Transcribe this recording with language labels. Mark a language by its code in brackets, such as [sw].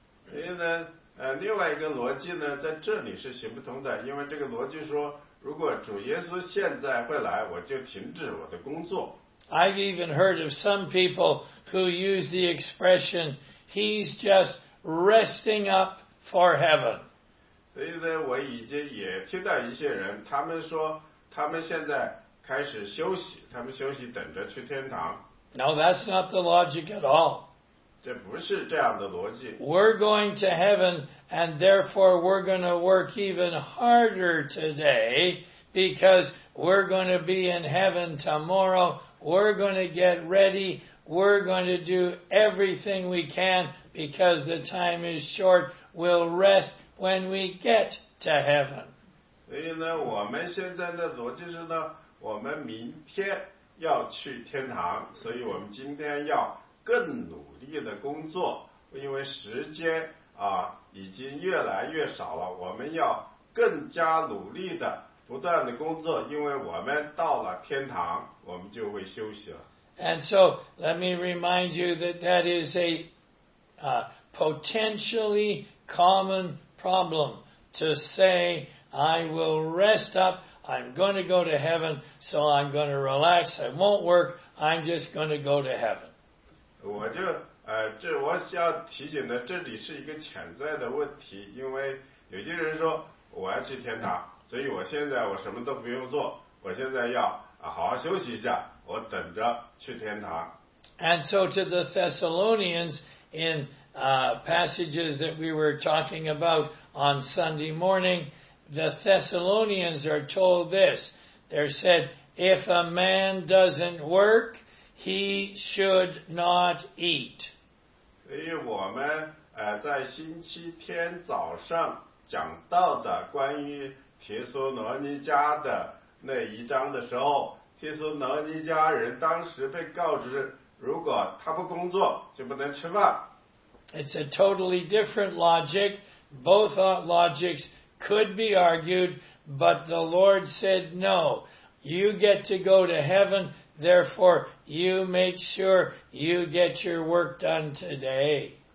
[zh] 所以呢，另外一个逻辑呢，在这里是行不通的，因为这个逻辑说，如果主耶稣现在会来，我就停止我的工作。 [en] I've even heard of some people who use the expression, he's just resting up for heaven. [zh] 所以呢，我已经也听到一些人，他们说他们现在开始休息，他们休息等着去天堂。 [en] No, that's not the logic at all. [zh] 这不是这样的逻辑。 [en] We're going to heaven, and therefore we're going to work even harder today, because we're going to be in heaven tomorrow. We're going to get ready. We're going to do everything we can because the time is short. We'll rest when we get to heaven. [zh] 所以呢，我们现在的逻辑是呢，我们明天要去天堂，所以我们今天要更努力的工作，因为时间已经越来越少了。我们要更加努力的。不断的工作，因为我们到了天堂，我们就会休息了。 [en] And so, let me remind you that that is a potentially common problem to say, I will rest up, I'm going to go to heaven, so I'm going to relax, I won't work, I'm just going to go to heaven. [zh] 我就这我要提醒的，这里是一个潜在的问题，因为有些人说我要去天堂。所以我现在我什么都不用做，我现在要好好休息一下，我等着去天堂。 [en] And so to the Thessalonians in passages that we were talking about on Sunday morning, the Thessalonians are told this, There said, if a man doesn't work, he should not eat. [zh] 所以我们在星期天早上讲到的关于提苏罗尼迦的那一章的时候，提苏罗尼迦人当时被告知，如果他不工作，就不能吃饭。 [en] It's a totally different logic. Both logics could be argued, but the Lord said, no, you get to go to heaven, therefore you make sure you get your work done today.